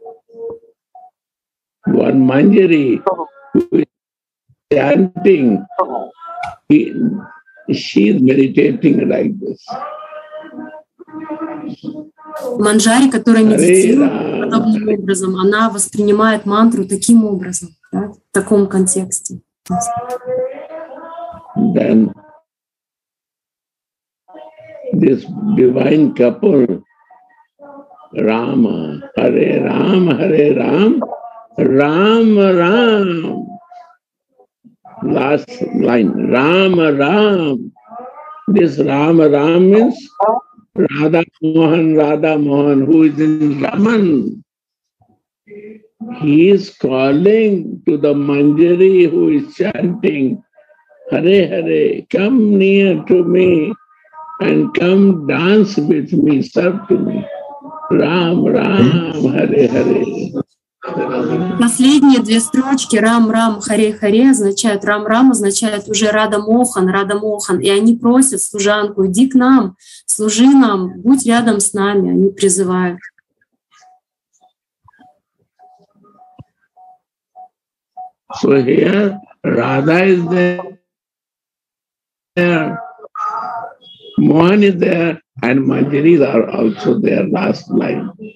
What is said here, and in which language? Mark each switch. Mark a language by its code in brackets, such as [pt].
[en] One Manjari chanting, she is meditating like this. [ru] Манджари, которая медитирует подобным образом, она воспринимает мантру таким образом, да, в таком контексте. [en] Then this divine couple, Rama, Hare Ram, Hare Ram, Ram Ram. Last line, Ram Ram. This Ram Ram means Radha Mohan, Radha Mohan, who is in Raman, he is calling to the Manjari who is chanting, Hare Hare, come near to me and come dance with me, serve to me. [sa] Ram, Ram, Hare Hare. [ru] Последние две строчки «Рам-рам, харе-харе» означают «Рам-рам» означает уже «Рада-мохан, рада-мохан». И они просят служанку «Иди к нам, служи нам, будь рядом с нами», они призывают. [en] So here, Radha is there, Mohan is there, and Manjaris are also there, last line.